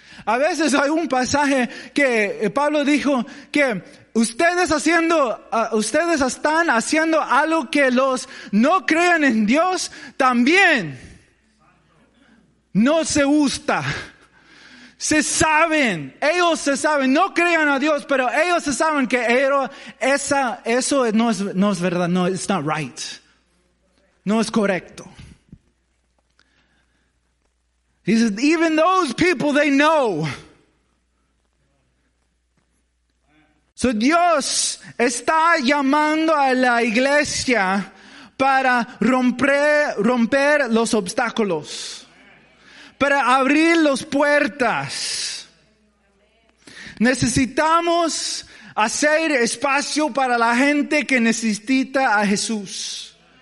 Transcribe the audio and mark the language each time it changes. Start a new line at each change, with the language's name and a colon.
Spanish: A veces hay un pasaje que Pablo dijo que ustedes están haciendo algo que los no creen en Dios también no se gusta. Ellos se saben, no crean a Dios, pero ellos se saben que eso no es verdad, no,
English: it's not right.
Spanish: No es correcto.
English: He says, even those people, they know.
Spanish: So Dios está llamando a la iglesia para romper los obstáculos. Para abrir las puertas. Necesitamos hacer espacio para la gente que necesita a Jesús.